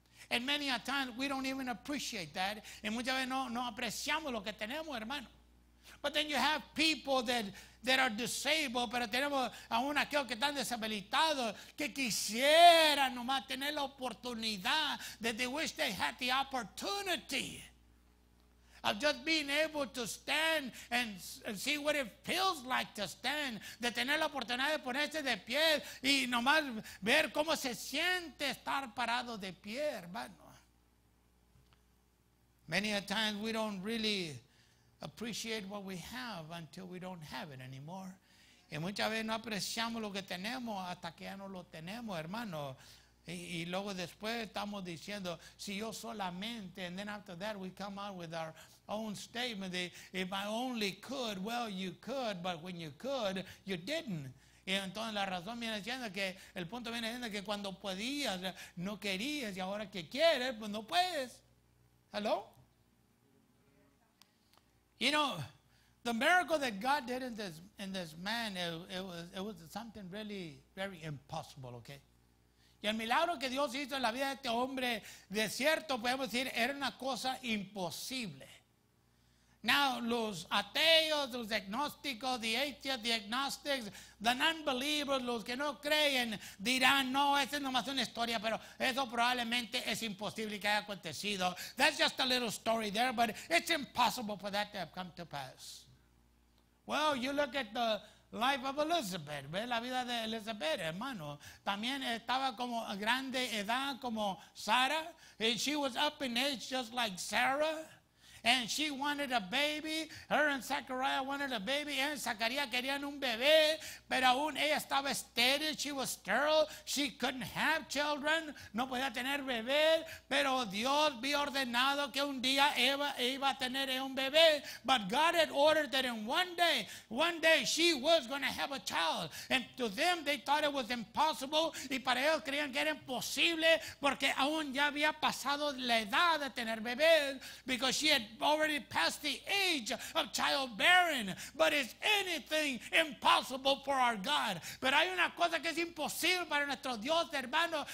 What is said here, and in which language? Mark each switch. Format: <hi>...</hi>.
<en>And many a time we don't even appreciate that.</en> <es>Y muchas veces no apreciamos lo que tenemos, hermano.</es> <en>But then you have people that are disabled,</en> <es>pero tenemos aún aquellos que están deshabilitados que quisieran nomás tener la oportunidad,</es> <en>that they wish they had the opportunity of just being able to stand</en> <es>and see what it feels like to stand, de tener la oportunidad de ponerse de pie y nomás ver cómo se siente estar parado de pie, hermano.</es> <en>Many a times we don't really appreciate what we have until we don't have it anymore.</en> <es>Y muchas veces no apreciamos lo que tenemos hasta que ya no lo tenemos, hermano. Y luego después estamos diciendo, si yo solamente,</es> <en>and then after that we come out with our own statement, that if I only could, well, you could, but when you could, you didn't.</en> <es>Y entonces la razón viene siendo que, el punto viene siendo que cuando podías, no querías, y ahora que quieres, pues no puedes.</es> <en>Hello? You know, the miracle that God did in this man, it was something really very impossible, okay?</en> <es>Y el milagro que Dios hizo en la vida de este hombre, de cierto podemos decir, era una cosa imposible. Now, los ateos, los agnósticos,</es> <en>the atheists, the agnostics, the non-believers,</en> <es>los que no creen, dirán, no, esa es nomás una historia, pero eso probablemente es imposible que haya acontecido.</es> <en>That's just a little story there, but it's impossible for that to have come to pass. Well, you look at the life of Elizabeth,</en> <es>ve la vida de Elizabeth, hermano. También estaba como grande edad como Sara,</es> <en>and she was up in age just like Sarah. And she wanted a baby. Her and Zachariah wanted a baby.</en> <es>And Zachariah querían un bebé. Pero aún ella estaba estéril.</es> <en>She was sterile. She couldn't have children.</en> <es>No podía tener bebé. Pero Dios había ordenado que un día iba a tener un bebé.</es> <en>But God had ordered that in one day she was going to have a child. And to them they thought it was impossible.</en> <es>Y para ellos creían que era imposible. Porque aún ya había pasado la edad de tener bebé.</es> <en>Because she had already past the age of childbearing. But is anything impossible for our God?</en> <es>Pero hay una cosa que es imposible para nuestro Dios, hermano.</es>